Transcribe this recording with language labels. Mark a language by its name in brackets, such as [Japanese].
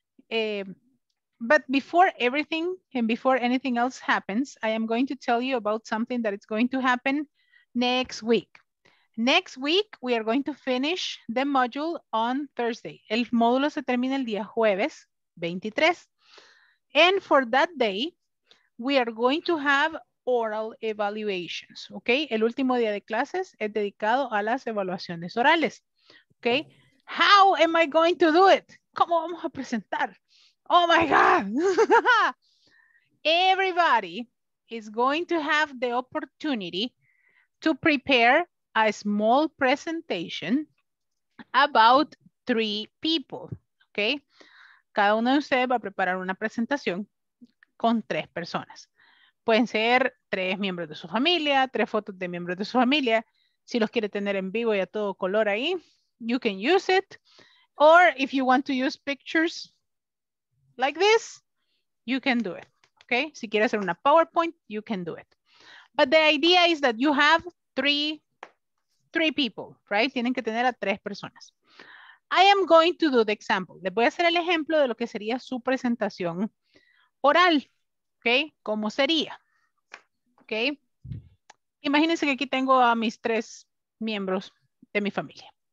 [English] But before everything and before anything else happens, I am going to tell you about something that is going to happen next week. Next week, we are going to finish the module on Thursday. [Spanish] El módulo se termina el día jueves 23. [English] And for that day, we are going to have oral evaluations, okay? [Spanish] El último día de clases es dedicado a las evaluaciones orales, okay? [English] How am I going to do it? [Spanish] ¿Cómo vamos a presentar? [English] Oh my God! Everybody is going to have the opportunity to prepare a small presentation about 3 people, okay? [Spanish] Cada uno de ustedes va a preparar una presentación con 3 personas. Pueden ser 3 miembros de su familia, 3 fotos de miembros de su familia. Si los quiere tener en vivo y a todo color ahí, [English] you can use it. Or if you want to use pictures like this, you can do it. Okay? [Spanish] Si quiere hacer una PowerPoint, [English] you can do it. But the idea is that you have 3 people, right? [Spanish] Tienen que tener a 3 personas. [English] I am going to do the example. [Spanish] Les voy a hacer el ejemplo de lo que sería su presentación oral. Okay, ¿cómo sería? Okay. Imagínense que aquí tengo a mis 3 miembros de mi familia.